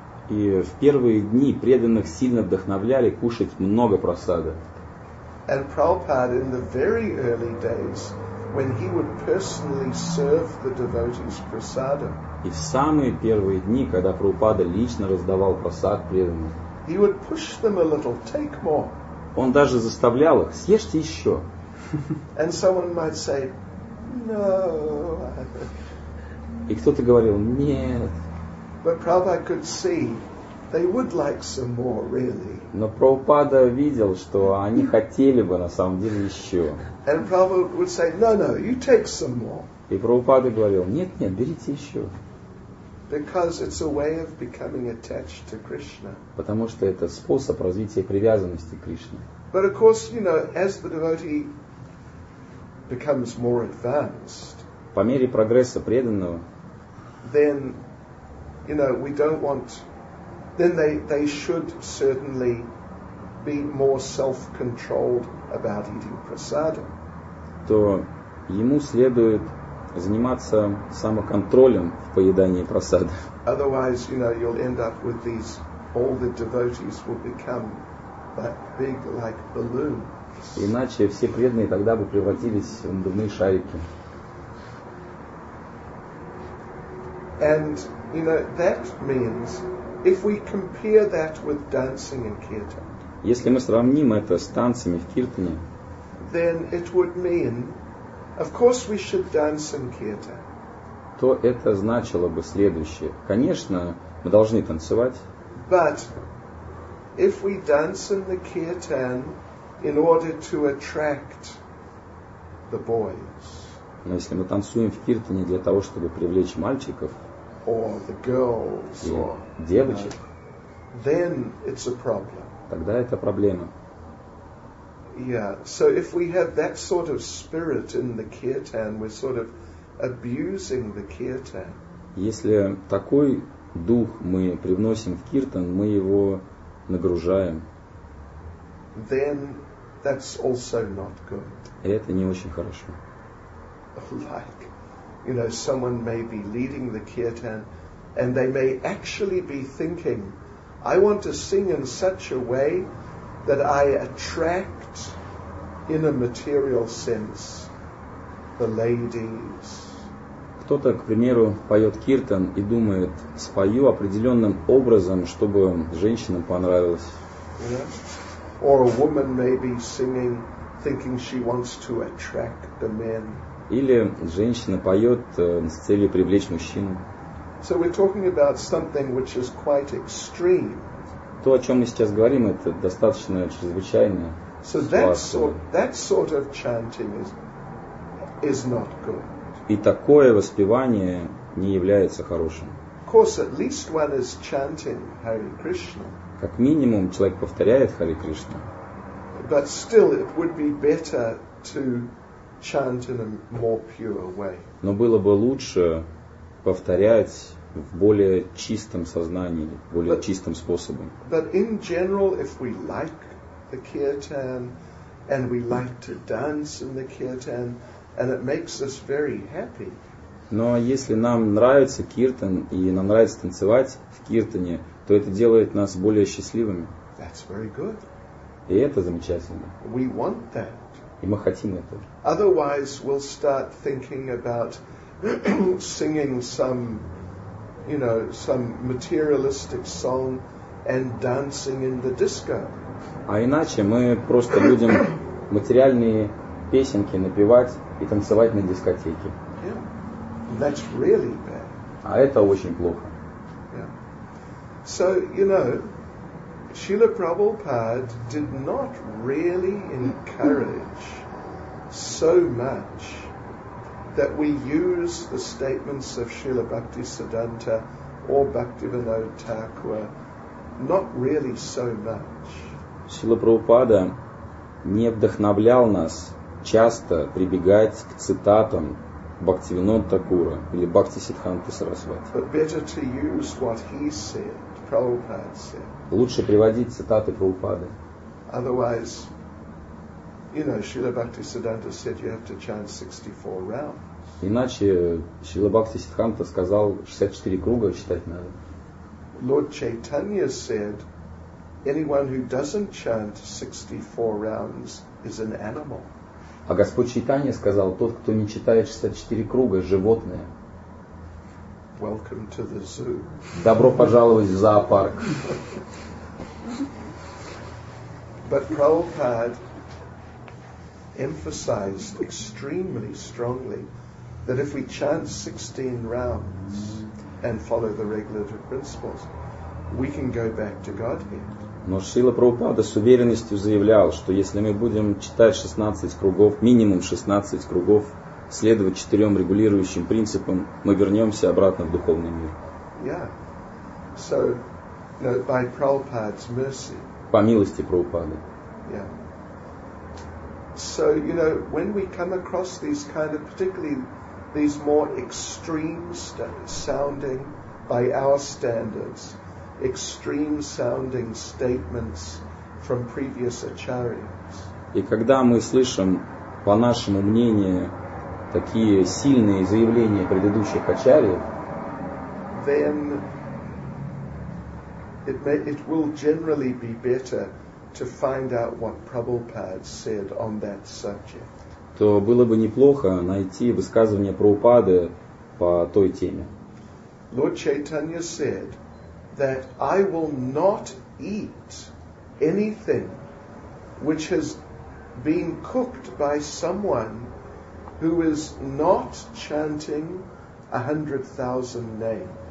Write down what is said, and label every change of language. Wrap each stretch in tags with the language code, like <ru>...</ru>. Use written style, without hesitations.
<ru>И в первые дни преданных сильно вдохновляли кушать много прасада.</ru> <en>And Prabhupada in the very early days when he would personally serve the devotees prasadam.</en> <ru>И в самые первые дни, когда Прабхупада лично раздавал прасад преданным.</ru> <en>He would push them a little, take more.</en> <ru>Он даже заставлял их: съешьте еще.</ru> <en>And someone might say, no.</en> <ru>И кто-то говорил: нет.</ru> <en>But Prabhupada could see they would like some more, really.</en> <ru>Но Прабхупада видел, что они хотели бы на самом деле еще.</ru> <en>And Prabhupada would say, no, no, you take some more.</en> <ru>И Прабхупада говорил: нет, нет, берите еще.</ru> <en>Because it's a way of becoming attached to Krishna.</en> <ru>Потому что это способ развития привязанности к Кришне.</ru> <en>But of course, you know, as the devotee becomes more advanced,</en> <ru>по мере прогресса преданного,</ru> <en>then, you know, we don't want. Then they should certainly be more self-controlled about eating prasadam.</en> <ru>То ему следует заниматься самоконтролем в поедании прасада.</ru> <en>Otherwise, you know, you'll end up with these, all the devotees will become that big like balloons.</en> <ru>Иначе все преданные тогда бы превратились в надувные шарики.</ru> <en>And, you know, that means, if we compare that with dancing in kirtan.</en> <ru>Если мы сравним это с танцами в киртане,</ru> <en>then it would mean, of course we should dance in kirtan.</en> <ru>То это значило бы следующее. Конечно, мы должны танцевать.</ru> <en>But if we dance in the kirtan in order to attract the boys.</en> <ru>Но если мы танцуем в киртане для того, чтобы привлечь мальчиков,</ru> <en>or the girls,</en> <ru>или</ru> <en>or,</en> <ru>девочек,</ru> <en>you know, then it's a problem.</en> <ru>Тогда это проблема.</ru> <en>Yeah, so if we have that sort of spirit in the kirtan, we're sort of abusing the kirtan.</en> <ru>Если такой дух мы привносим в киртан, мы его нагружаем.</ru> <en>Then that's also not good.</en> <ru>Это не очень хорошо.</ru> <en>Like, you know, someone may be leading the kirtan, and they may actually be thinking, I want to sing in such a way that I attract, in a material sense, the ladies.</en> <ru>Кто-то, к примеру, поет киртан и думает, спою определенным образом, чтобы женщинам понравилось.</ru> <en>Yeah. Or a woman may be singing, thinking she wants to attract the men.</en> <ru>Или женщина поет с целью привлечь мужчину.</ru> <en>So we're talking about something which is quite extreme.</en> <ru>То, о чем мы сейчас говорим, это достаточно чрезвычайно.</ru> <en>So that sort of chanting is not good.</en> <ru>И такое воспевание не является хорошим.</ru> <en>Of course, at least one is chanting Hare Krishna.</en> <ru>Как минимум, человек повторяет Hare Krishna.</ru> <en>But still, it would be better to chant in a more pure way.</en> <ru>Но было бы лучше повторять в более чистом сознании, более чистым способом.</ru> <en>But in general, if we like the kirtan and we like to dance in the kirtan and it makes us very happy.</en> <ru>Но если нам нравится киртан и нам нравится танцевать в киртане, то это делает нас более счастливыми.</ru> <en>That's very good.</en> <ru>И это замечательно.</ru> <en>We want that.</en> <ru>И мы хотим это.</ru> <en>Otherwise, we'll start thinking about singing some, you know, some materialistic song and dancing in the disco.</en> <ru>А иначе мы просто будем материальные песенки напевать и танцевать на дискотеке.</ru> <en>Yeah. That's really bad.</en> <ru>А это очень плохо.</ru> <en>Yeah. So, you know, Srila Prabhupada did not really encourage so much that we use the statements of Srila Bhaktisiddhanta or Bhaktivinoda Thakura, not really so much.</en> <ru>Srila Prabhupada не вдохновлял нас часто прибегать к цитатам Бхактивинода Такура или Бхактисиддханты Сарасвати.</ru> <en>But better to use what he said, Prabhupada said.</en> <ru>Лучше приводить цитаты Прабхупады.</ru> <en>Otherwise, you know, Srila Bhaktisiddhanta said you have to chant 64 rounds.</en> <ru>Иначе Srila Bhaktisiddhanta сказал 64 круга читать надо.</ru> <en>Lord Chaitanya said anyone who doesn't chant 64 rounds is an animal.</en> <ru>А Господь Чайтанья сказал, тот, кто не читает 64 круга, животное.</ru> <en>Welcome to the zoo.</en> <ru>Добро пожаловать в зоопарк.</ru> <en>But Prabhupada emphasized extremely strongly that if we chant 16 rounds and follow the regulative principles, we can go back to Godhead.</en> <ru>Но Шрила Прабхупада с уверенностью заявлял, что если мы будем читать 16 кругов, минимум 16 кругов, следовать четырем регулирующим принципам, мы вернемся обратно в духовный мир.</ru> <en>Yeah. So, you know, by Prabhupada's mercy.</en> <ru>По милости Прабхупады.</ru> <en>Yeah. So, you know, when we come across these kind of, particularly these more extreme sounding by our standards, extreme sounding statements from previous acharyas.</en> <ru>И когда мы слышим, по нашему мнению, такие сильные заявления предыдущих ачарьев,</ru> <en>then it will generally be better to find out what Prabhupada said on that subject.</en> <ru>То было бы неплохо найти высказывание Прабхупады по той теме.</ru> <en>Lord Chaitanya said that I will not eat anything which has been cooked by someone who is not chanting 100,000 names.</en>